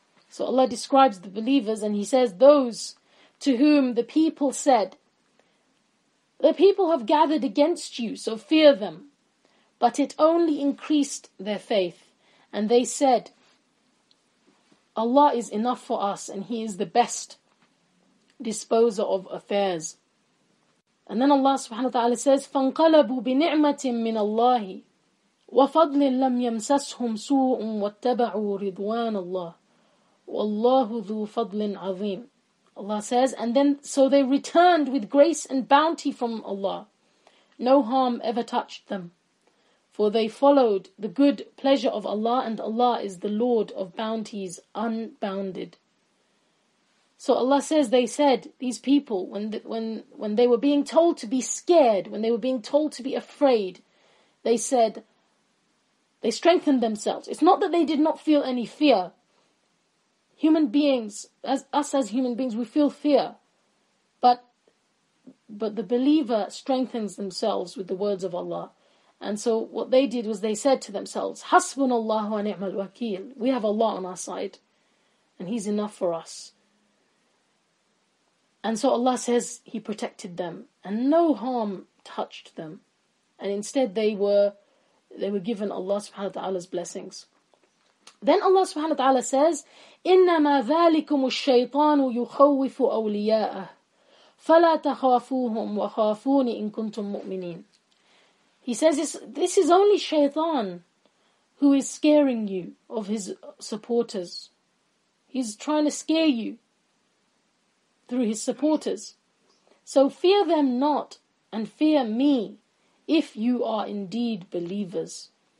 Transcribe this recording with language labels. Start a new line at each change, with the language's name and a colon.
English: So Allah describes the believers and He says, those to whom the people said, the people have gathered against you, so fear them. But it only increased their faith. And they said, Allah is enough for us and He is the best disposer of affairs.
Arabic: And then Allah subhanahu wa ta'ala says, فَانْقَلَبُوا بِنِعْمَةٍ مِّنَ اللَّهِ وَفَضْلٍ لَمْ يَمْسَسْهُمْ سُوءٌ وَاتَّبَعُوا رِضْوَانَ اللَّهِ وَاللَّهُ ذُو فَضْلٍ عَظِيمٍ.
English: Allah says, and then so they returned with grace and bounty from Allah. No harm ever touched them, for they followed the good pleasure of Allah, and Allah is the Lord of bounties unbounded. So Allah says, they said, these people, when they were being told to be scared, when they were being told to be afraid, they said, they strengthened themselves. It's not that they did not feel any fear. Human beings, as human beings, we feel fear. But the believer strengthens themselves with the words of Allah. And so what they did was they said to themselves,
Arabic: Hasbunallahu wa ni'mal wakil.
English: We have Allah on our side. And He's enough for us. And so Allah says He protected them. And no harm touched them. And instead they were given Allah subhanahu wa ta'ala's blessings.
Arabic: Then Allah subhanahu wa ta'ala says, إِنَّمَا ذَلِكُمُ الشَّيْطَانُ يُخَوِّفُ أَوْلِيَاءَهُ فَلَا تَخَافُوهُمْ وَخَافُونِ إِن كُنْتُم مُؤْمِنِينَ.
English: He says, this is only shaitan who is scaring you of his supporters. He's trying to scare you through his supporters. So fear them not and fear me if you are indeed believers.